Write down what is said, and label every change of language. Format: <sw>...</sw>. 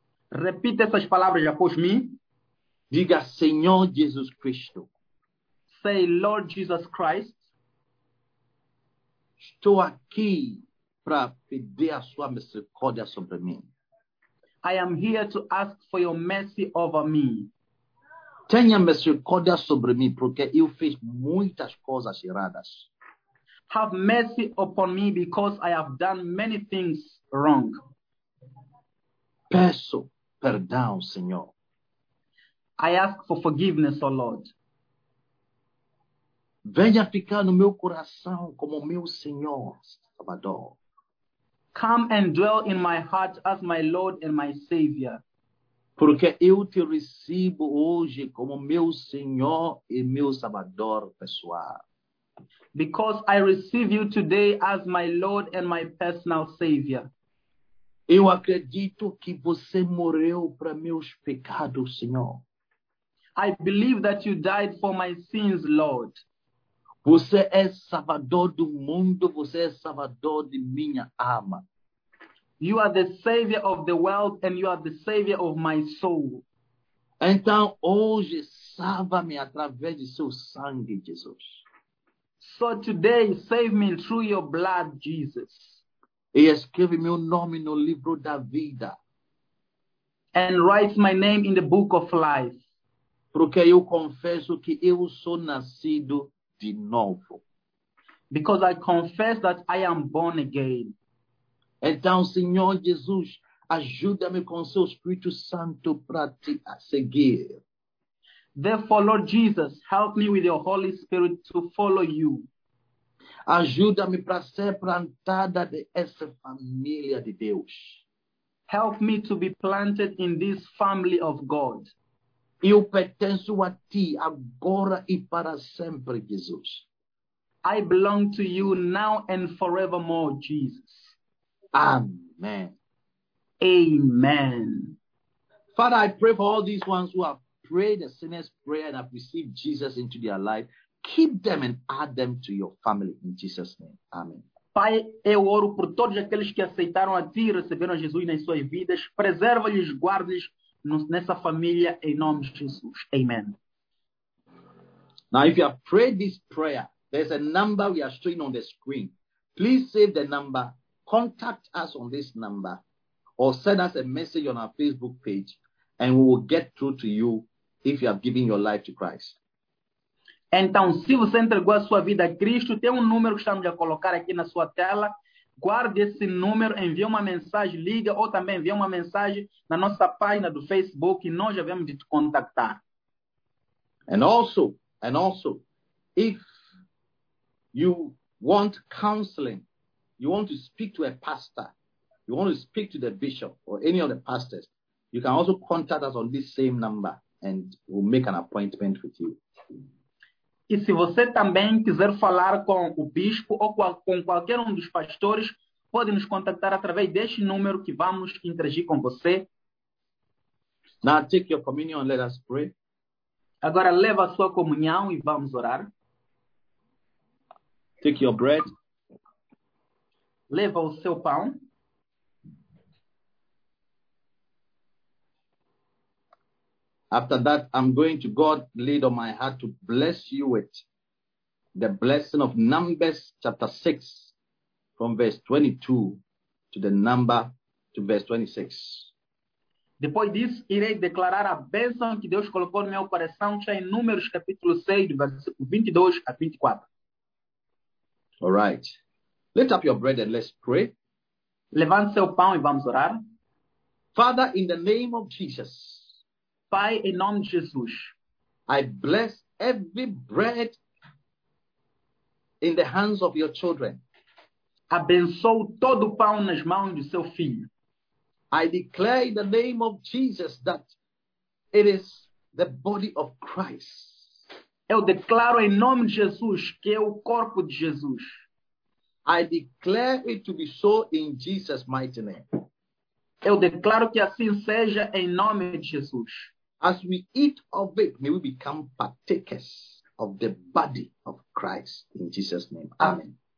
<pt>Repita essas palavras após mim. Diga, Senhor Jesus Cristo.</pt> <en>Say, Lord Jesus Christ.</en> <pt>Estou aqui para pedir a sua misericórdia sobre mim.</pt> <en>I am here to ask for your mercy over me.</en> <pt>Tenha misericórdia sobre mim, porque eu fiz muitas coisas erradas.</pt> <en>Have mercy upon me because I have done many things wrong.</en> <pt>Peço perdão, Senhor.</pt> <en>I ask for forgiveness, O Lord.</en> <pt>Venha ficar no meu coração como meu Senhor, Salvador.</pt> <en>Come and dwell in my heart as my Lord and my Savior.</en> <pt>Porque eu te recebo hoje como meu Senhor e meu Salvador pessoal.</pt> <en>Because I receive you today as my Lord and my personal Savior.</en> <pt>Eu acredito que você morreu para meus pecados, Senhor.</pt> <en>I believe that you died for my sins, Lord.</en> <pt>Você é Salvador do mundo, você é Salvador de minha alma.</pt> <en>You are the savior of the world and you are the savior of my soul.</en> <pt>Então hoje salva-me através de seu sangue, Jesus.</pt> <en>So today save me through your blood, Jesus.</en> <pt>E escreve meu nome no livro da vida.</pt> <en>And write my name in the book of life.</en> <pt>Porque eu confesso que eu sou nascido de novo.</pt> <en>Because I confess that I am born again.</en> <pt>Então, Senhor Jesus, ajuda-me com seu Espírito Santo para te seguir.</pt> <en>Therefore, Lord Jesus, help me with your Holy Spirit to follow you.</en> <pt>Ajuda-me para ser plantada dessa família de Deus.</pt> <en>Help me to be planted in this family of God.</en> <pt>Eu pertenço a ti agora e para sempre, Jesus.</pt> <en>I belong to you now and forevermore, Jesus. Amen. Amen. Father, I pray for all these ones who have prayed a sinner's prayer and have received Jesus into their life. Keep them and add them to your family in Jesus' name. Amen.</en> <pt>Pai, eu oro por todos aqueles que aceitaram a ti e receberam a Jesus nas suas vidas. Preserva-lhes, guarda-lhes nessa família em nome de Jesus. Amen.</pt> <en>Now, if you have prayed this prayer, there's a number we are showing on the screen. Please save the number, contact us on this number, or send us a message on our Facebook page, and we will get through to you if you have given your life to Christ.</en> <pt>Então, se você entregou a sua vida a Cristo, tem número que estamos a colocar aqui na sua tela. Guarde esse número, envie uma mensagem, liga, ou também envie uma mensagem na nossa página do Facebook, e nós já vamos de te contactar.</pt> <en>And also, if you want counseling, you want to speak to a pastor, you want to speak to the bishop or any of the pastors, you can also contact us on this same number and we'll make an appointment with you.</en> <pt>E se você também quiser falar com o bispo ou com qualquer dos pastores, pode nos contactar através deste número que vamos interagir com você.</pt> <en>Now take your communion and let us pray.</en> <pt>Agora leva a sua comunhão e vamos orar.</pt> <en>Take your bread.</en> <pt>Leva o seu pão.</pt> <en>After that, I'm going to God laid on my heart to bless you with the blessing of Numbers chapter 6 from verse 22 to the number to verse 26.</en> <pt>Depois disso, irei declarar a bênção que Deus colocou no meu coração, que está em Números capítulo 6, versículo 22 a 24.</pt> <en>All right. Lift up your bread and let's pray.</en> <pt>Levante seu pão e vamos orar.</pt> <en>Father, in the name of Jesus.</en> <pt>Pai, em nome de Jesus.</pt> <en>I bless every bread in the hands of your children.</en> <pt>Abençoo todo o pão nas mãos do seu filho.</pt> <en>I declare in the name of Jesus that it is the body of Christ.</en> <pt>Eu declaro em nome de Jesus que é o corpo de Jesus.</pt> <en>I declare it to be so in Jesus' mighty name.</en> <pt>Eu declaro que assim seja em nome de Jesus.</pt> <en>As we eat of it, may we become partakers of the body of Christ in Jesus' name. Amen.</en>